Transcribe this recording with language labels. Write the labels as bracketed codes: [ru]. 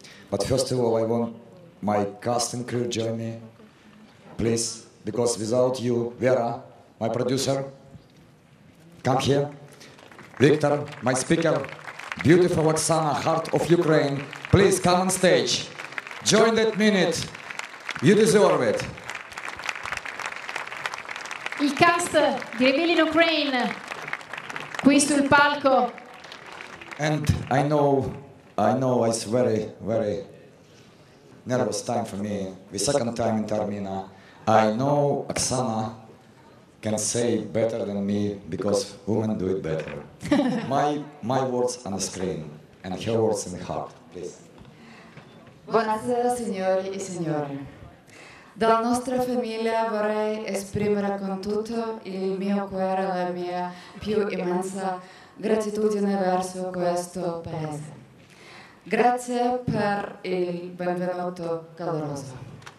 [en] But first of all, I want my cast and crew, Jeremy, please, because without you, Vera, my producer, come here, Victor, my speaker, beautiful Oksana, heart of Ukraine, please come on stage, join that minute, you deserve it. [it] Il cast di Revealing Ukraine qui sul palco. [en] And I know it's very, very nervous time for me. The second time in Taormina. I know Oksana can say better than me, because women do it better. my words on the screen and her words in the heart, please. [it] Buonasera, signori e signori. Dalla nostra famiglia vorrei esprimere con tutto il mio cuore e la mia più immensa gratitudine verso questo paese. Grazie per il benvenuto caloroso.